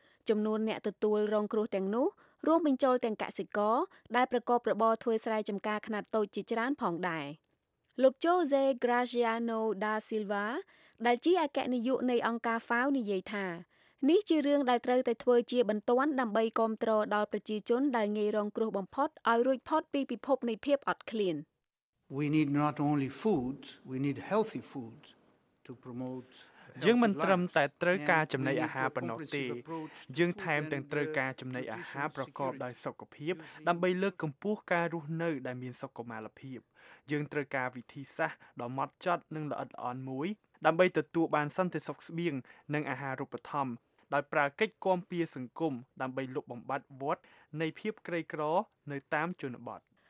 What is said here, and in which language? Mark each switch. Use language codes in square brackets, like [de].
[km] ចំនួនអ្នកទទួលរងគ្រោះទាំងនោះរួមបញ្ចូលទាំងកសិករដែលប្រកបរបរធ្វើស្រែចម្ការខ្នាតតូចជាច្រើនផងដែរលោក José Graciano da Silva ដែលជាអគ្គនាយកនៃអង្គការ FAO និយាយថានេះជារឿងដែលត្រូវតែធ្វើជាបន្ទាន់ដើម្បីគាំទ្រដល់ប្រជាជនដែលងាយរងគ្រោះបំផុតឲ្យរួចផុតពីពិភពនៃភាពអត់ឃ្លាន [en] We need not only foods, we need healthy foods to promote [km] យើងមិនត្រឹមតែត្រូវការចំណីអាហារប៉ុណ្ណោះទេយើងថែមទាំងត្រូវការចំណីអាហារប្រកបដោយសុខភាពដើម្បីលើកកម្ពស់ការរស់នៅដែលមានសុខុមាលភាពយើងត្រូវការវិធីសាស្ត្រដ៏ម៉ត់ចត់និងល្អិតល្អន់មួយដើម្បីទទួលបានសន្តិសុខស្បៀងនិងអាហារូបត្ថម្ភដោយប្រើកិច្ចគាំពារសង្គមដើម្បីលុបបំបាត់វដ្តនៃភាពក្រីក្រនៅតាមជនបទ